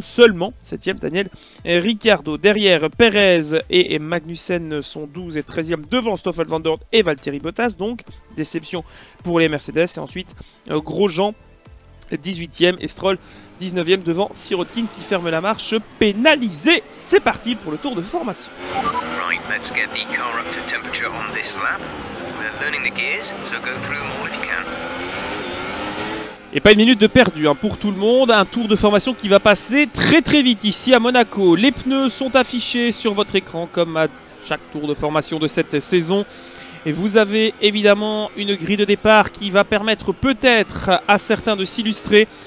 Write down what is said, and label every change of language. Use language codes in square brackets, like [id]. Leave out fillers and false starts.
[fr] Seulement 7e, Daniel Ricciardo. Derrière, Perez et Magnussen sont 12 et 13e devant Stoffel Van Dorn et Valtteri Bottas. Donc, déception pour les Mercedes. Et ensuite, Grosjean 18e et Stroll 19e devant Sirotkin qui ferme la marche pénalisée. C'est parti pour le tour de formation. [en] Right, let's get the car up to temperature on this lap. Learning the gears, so go through more if you can. [fr] Et pas une minute de perdu hein, pour tout le monde. Un tour de formation qui va passer très très vite ici à Monaco. Les pneus sont affichés sur votre écran comme à chaque tour de formation de cette saison. Et vous avez évidemment une grille de départ qui va permettre peut-être à certains de s'illustrer.